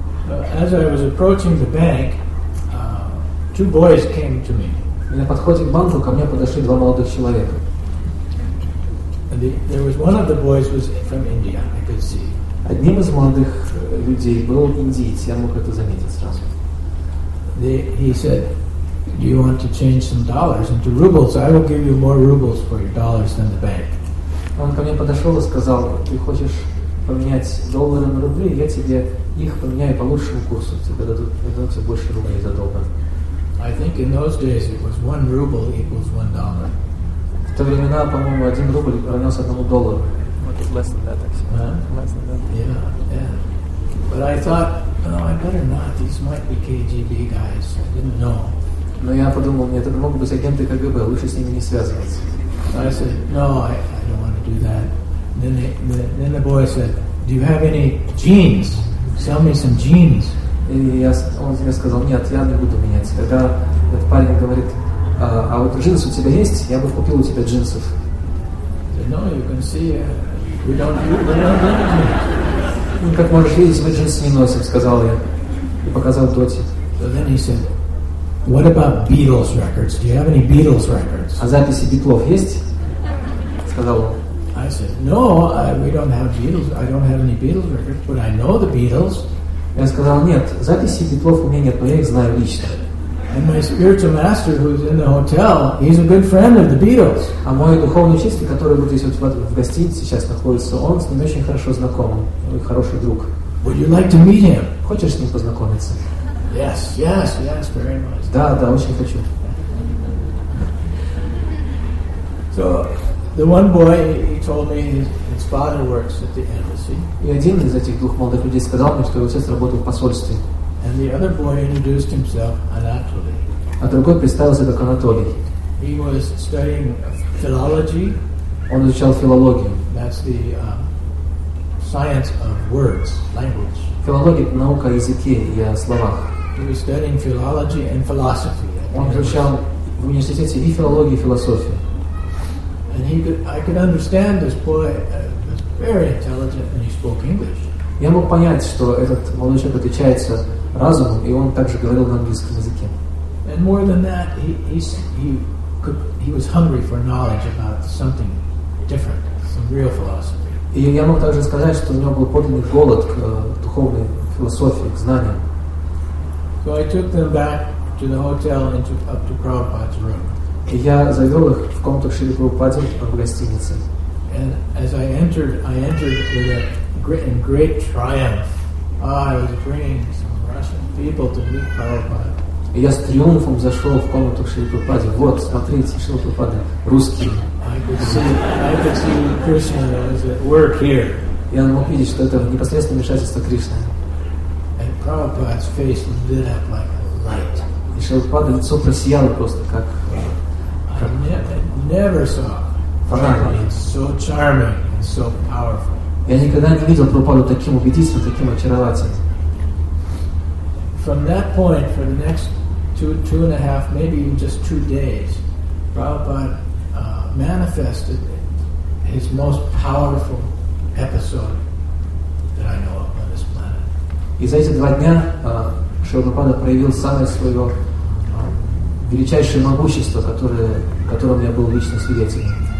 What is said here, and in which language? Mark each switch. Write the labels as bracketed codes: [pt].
[en] As I was approaching the bank, two boys came to me. [ru] На подходе к банку ко мне подошли два молодых человека. [en] There was one of the boys was from India. I could see. [ru] Одним из молодых людей был индиец. Я мог это заметить сразу. [en] He said, "Do you want to change some dollars into rubles? I will give you more rubles for your dollars than the bank." [ru] Он ко мне подошел и сказал, "Ты хочешь поменять доллары на рубли? Я тебе их поменяю по лучшему курсу. Тебе дадут тебе больше рублей за доллар." [en] I think in those days it was 1 ruble equals $1. [ru] В то времена, по-моему, 1 рубль равнялся 1 доллару. [en] What is less than that, actually? Less than that. Yeah. But I thought. No, I better not. These might be KGB guys. I didn't know. [ru] Но я подумал, нет, это могут быть агенты КГБ. Лучше с ними не связываться. [en] I said, no, I don't want to do that. Then the boy said, do you have any jeans? Sell me some jeans. [ru] И я, он мне сказал, нет, я не буду менять. Когда этот парень говорит, а вот джинсы у тебя есть? Я бы купил у тебя джинсов. [en] No, you can see, we don't need jeans. [ru] Ну, как можешь видеть, мы джинсы не носим, сказал я. И показал Доти. [en] So then he said, what about Beatles records? Do you have any Beatles records? [ru] А записи Битлов есть? Сказал он. [en] I said, no, we don't have Beatles. I don't have any Beatles records, but I know the Beatles. [ru] Я сказал, нет, записи Битлов у меня нет, но я их знаю лично. [en] And my spiritual master, who's in the hotel, he's a good friend of the Beatles. [ru] А мой духовный учитель, который вот здесь вот в гостинице сейчас находится, он с ним очень хорошо знаком, он хороший друг. [en] Would you like to meet him? [ru] Хочешь с ним познакомиться? [en] Yes, yes, yes, very much. [ru] Да, да, очень хочу. [en] So, the one boy, he told me his father works at the embassy. [ru] И один из этих двух молодых людей сказал мне, что его отец работает в посольстве. [en] And the other boy introduced himself, Anatoly. [ru] А другой представился как Анатолий. [en] He was studying philology. [ru] Он изучал филологию. [en] That's the science of words, language. [ru] Филология — это наука о языке и о словах. [en] He was studying philology and philosophy. [ru] Он изучал в университете и филологию, и философию. [en] And I could understand this boy was very intelligent and he spoke English. [ru] Я мог понять, что этот молодой человек отличается разумом, и он также говорил на английском языке. [en] And more than that, he was hungry for knowledge about something different, some real philosophy. [ru] И я мог также сказать, что у него был подлинный голод к духовной философии, к знаниям. [en] So I took them back to the hotel and up to Prabhupada's room. [ru] И я завел их в комнату Шри Прабхупады в гостинице. [en] And as I entered with a great, in great triumph. Ah, I was bringing some Russian people to meet Prabhupada. [ru] И я с триумфом зашел в комнату Шри Прабхупады. Вот, смотрите, Шри Прабхупада, русские. [en] I could see Krishna was at work here. [ru] Я мог видеть, что это непосредственно вмешательство Кришны. [en] And Prabhupada's face lit up like a light. [ru] И Шри Прабхупада лицо просияло просто как. [en] I never saw. So charming, so powerful. [ru] Я никогда не видел Прабхупаду таким убедительным, таким очаровательным. [en] From that point, for the next two and a half, maybe even just 2 days, Prabhupada manifested his most powerful episode that I know of on this planet. [ru] И за эти два дня Шрила Прабхупада проявил самое свое величайшее могущество, которым я был лично свидетелем.